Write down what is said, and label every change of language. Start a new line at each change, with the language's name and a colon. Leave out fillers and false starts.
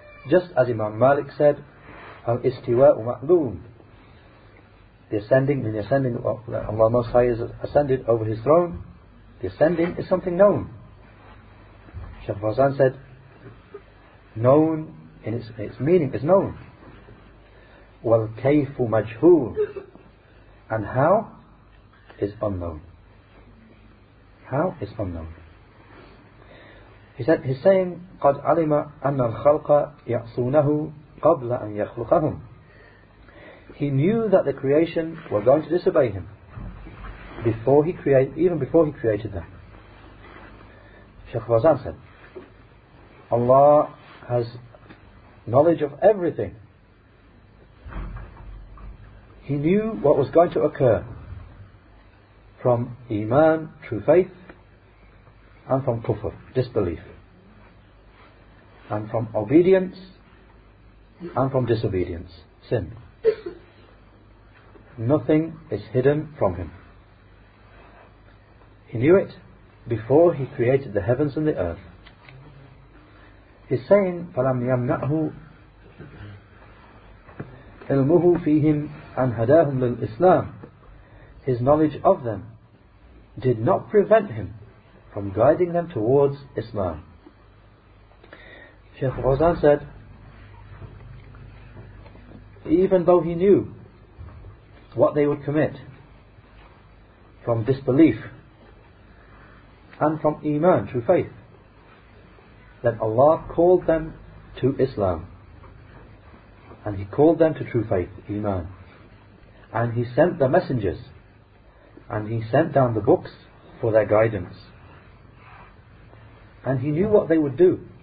English: Just as Imam Malik said,
Arabic: al-istiwa'u ma'lum,
English: the ascending, Allah Most High is ascended over His throne, the ascending is something known. Shaykh Fawzan said, known in its meaning is known.
Arabic: Wal kayfu majhul,
English: and how is unknown. How is unknown.
Arabic: He's saying, قَدْ عَلِمَ أَنَّ الْخَلْقَ يَعْصُونَهُ قَبْلَ أَنْ يَخْلُقَهُمْ.
English: He knew that the creation were going to disobey him even before he created them. Shaykh Fawzan said, Allah has knowledge of everything. He knew what was going to occur from Iman, true faith, and from Kufr, disbelief, and from obedience and from disobedience, sin. Nothing is hidden from Him. He knew it before He created the heavens and the earth.
Arabic: He's saying, فَلَمْ يَمْنَعْهُ إِلْمُهُ فِيهِمْ أَنْ هَدَاهُمْ لِلْإِسْلَامِ.
English: His knowledge of them did not prevent him from guiding them towards Islam. Shaykh Fawzan said, even though he knew what they would commit from disbelief and from Iman, true faith, then Allah called them to Islam, and He called them to true faith, Iman, and He sent the messengers, and He sent down the books for their guidance, and He knew what they would do.